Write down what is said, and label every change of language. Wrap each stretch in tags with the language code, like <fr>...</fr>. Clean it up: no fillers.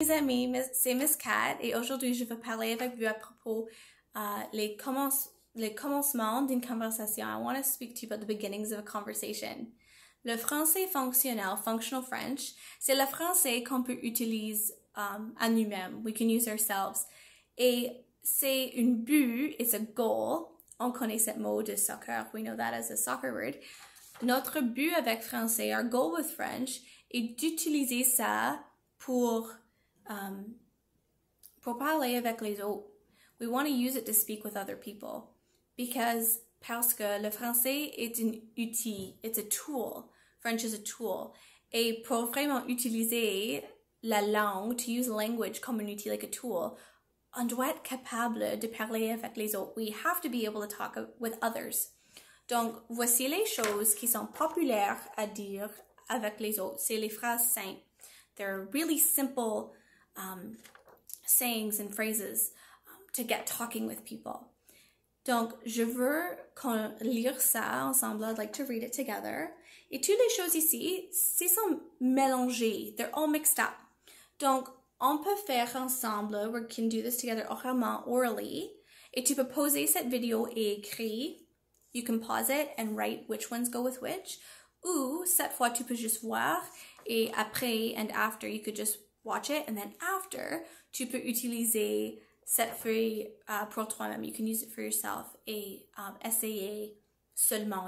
<fr>amis, c'est Miss Kat et aujourd'hui je veux parler avec vous à propos les commencements d'une conversation.</fr> <en>I want to speak to you about the beginnings of a conversation.</en> <fr>Le français fonctionnel,</fr> <en>functional French,</en> <fr>c'est le français qu'on peut utiliser à nous-mêmes.</fr> <en>We can use ourselves.</en> <fr>Et c'est un but,</fr> <en>it's a goal.</en> <fr>On connaît ce mot de soccer,</fr> <en>we know that as a soccer word.</en> <fr>Notre but avec français,</fr> <en>our goal with French,</en> <fr>est d'utiliser ça pour parler avec les autres.</fr> <en>We want to use it to speak with other people.</en> <fr>Parce que le français est un outil,</fr> <en>it's a tool. French is a tool.</en> <fr>Et pour vraiment utiliser la langue,</fr> <en>to use language</en> <fr>comme un outil,</fr> <en>like a tool,</en> <fr>on doit être capable de parler avec les autres.</fr> <en>We have to be able to talk with others.</en> <fr>Donc, voici les choses qui sont populaires à dire avec les autres. C'est les phrases simples.</fr> <en>They're really simple sayings and phrases to get talking with people.</en> <fr>Donc, je veux qu'on lire ça ensemble.</fr> <en>I'd like to read it together.</en> <fr>Et toutes les choses ici, c'est sont mélangées.</fr> <en>They're all mixed up.</en> <fr>Donc, on peut faire ensemble.</fr> <en>We can do this together</en> <fr>oralement,</fr> <en>orally.</en> <fr>Et tu peux poser cette vidéo et écrire.</fr> <en>You can pause it and write which ones go with which.</en> <fr>Ou, cette fois, tu peux juste voir. Et après</fr> <en>and after, you could just watch it. And then after,</en> <fr>tu peux utiliser cette feuille pour toi-même.</fr> <en>You can use it for yourself.</en> <fr>Et essayer seulement.</fr>